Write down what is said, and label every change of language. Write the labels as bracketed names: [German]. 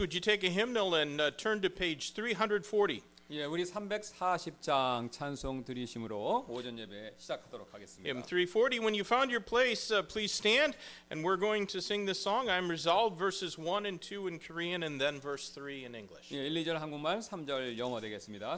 [English] Would you take a hymnal and turn to page 340? [Korean] 예, 우리 340장 찬송 드리심으로 오전 예배 시작하도록 하겠습니다. [English] Hymn 340. When you found your place, please stand, and we're going to sing this song. I'm resolved. Verses 1 and 2 in Korean, and then verse 3 in English. [Korean] 예, 1, 2절 한국말, 3절 영어 되겠습니다.